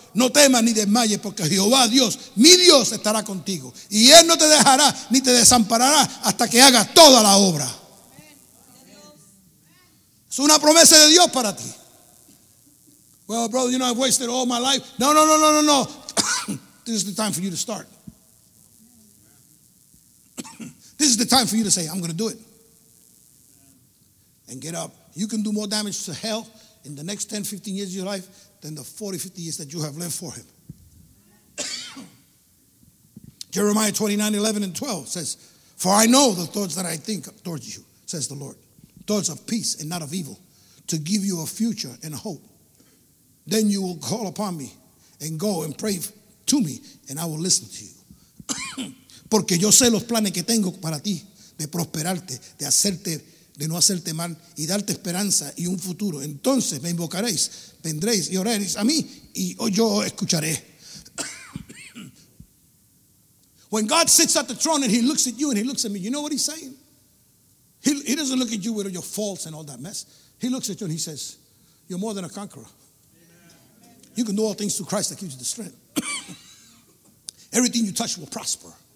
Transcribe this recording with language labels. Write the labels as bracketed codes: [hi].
[es] No temas ni desmayes, porque Jehová Dios, mi Dios, estará contigo. Y él no te dejará ni te desamparará hasta que hagas toda la obra. Es una promesa de Dios para ti. [en] Well, brother, you know, I've wasted all my life. No. This is the time for you to start. This is the time for you to say, I'm going to do it. And get up. You can do more damage to hell in the next 10, 15 years of your life than the 40, 50 years that you have lived for him. Jeremiah 29:11-12 says, for I know the thoughts that I think towards you, says the Lord. Thoughts of peace and not of evil, to give you a future and a hope. Then you will call upon me and go and pray to me, and I will listen to you. [es] Porque yo sé los planes que tengo para ti, de prosperarte, de hacerte, de no hacerte mal, y darte esperanza y un futuro. Entonces me invocaréis, vendréis y oraréis a mí, y yo escucharé. [en] When God sits at the throne and he looks at you and he looks at me, you know what he's saying? He doesn't look at you with all your faults and all that mess. He looks at you and he says, you're more than a conqueror. You can do all things through Christ that gives you the strength. Everything you touch will prosper.